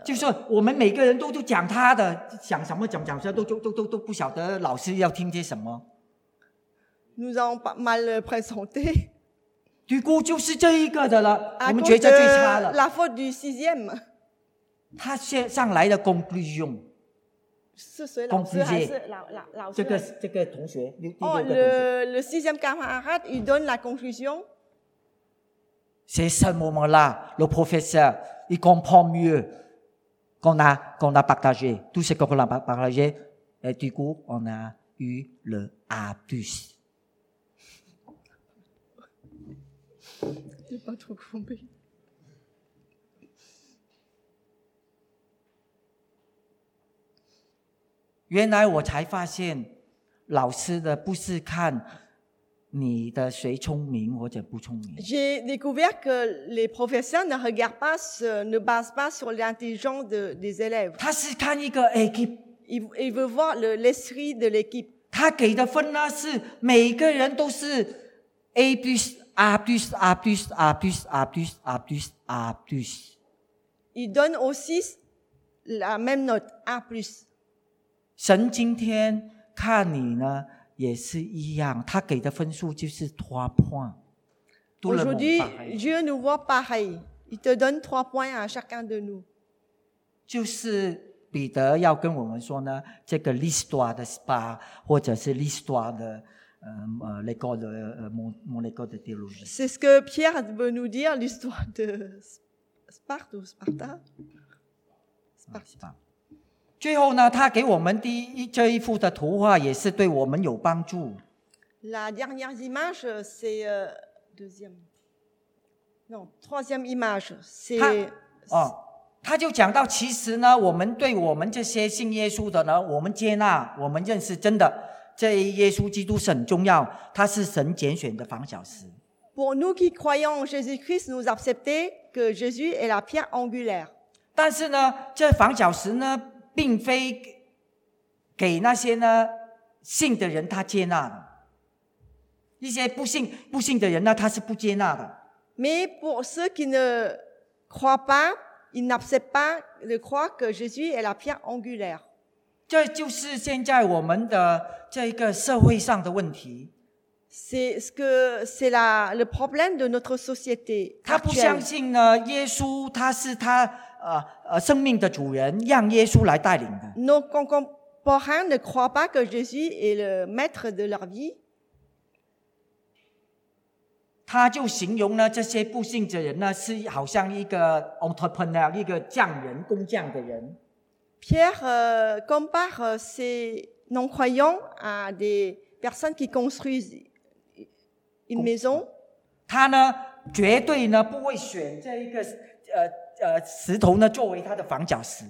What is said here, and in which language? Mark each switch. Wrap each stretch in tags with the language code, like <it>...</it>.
<zh>就是我们每个人都讲他的讲什么讲什么都不晓得老师要听些什么。</zh> <fr>Nous avons pas mal présenté.</fr> <zh>对过就是这一个的了，我们觉得最差了。</zh> <fr>La faute du sixième.</fr> <zh>他上来的 conclusion。是谁老师还是老师这个同学哦、 oh,</zh> <fr>le sixième camarade il donne la conclusion c'est ce moment là le professeur il comprend mieux qu'on a partagé tout ce qu'on a partagé et du coup on a eu le A plus j'ai pas trop compris</fr> <zh>原来我才发现，老师的不是看你的谁聪明或者不聪明。</zh> <fr>J'ai découvert que les professeurs ne regardent pas, ne basent pas sur l'intelligence des élèves.</fr> <zh>他是看一个 équipe.</zh> <fr>Il veut voir l'esprit de l'équipe.</fr> <zh>他给的分呢是每个人都是 A plus, A plus, A plus, A plus, A plus, A plus, A plus.</zh> <fr>Il donne aussi la même note, A plus.</fr> <zh>神今天看你呢也是一样，他给的分数就是</zh> <fr>trois points. Aujourd'hui, Dieu nous voit pareil. Il te donne trois points à chacun de nous.</fr> <zh>就是彼得要跟我们说呢，这个</zh> <fr>l'histoire de spa</fr> <zh>或者是</zh> <fr>l'histoire de l'école de mon école de théologie. C'est ce que Pierre veut nous dire l'histoire de Sparte ou Sparta. Sparta.</fr> <zh>最后呢，他给我们第一这一幅的图画也是对我们有帮助。</zh> <fr>La dernière image, c'est deuxième. Non, troisième image, c'est.</fr> <zh>他就讲到，其实呢，我们对我们这些信耶稣的呢，我们接纳，我们认识真的，这耶稣基督是很重要，他是神拣选的房角石。</zh> <fr>Pour nous qui croyons en Jésus-Christ, nous acceptons que Jésus est la pierre angulaire.</fr> <zh>但是呢，这房角石呢？并非给那些呢信的人他接纳的，一些不信的人呢，他是不接纳的。</zh> <fr>Mais pour ceux qui ne croient pas, ils n'acceptent pas de croire que Jésus est la pierre angulaire.</fr> <zh>这就是现在我们的这个社会上的问题。</zh> <fr>C'est le problème de notre société.</fr> <zh>他不相信呢，耶稣他是他生命的主人，让耶稣来带领的。</zh> <fr>Nos contemporains ne croient pas que Jésus est le maître de leur vie.</fr> <zh>他就形容呢，这些不信的人呢，是好像一个 entrepreneur， 一个匠人、工匠的人。</zh> <fr>Pierre compare ces non-croyants à des personnes qui construisent une maison。</fr> <zh>他呢，绝对呢不会选这一个石头呢作为他的房角石。</zh>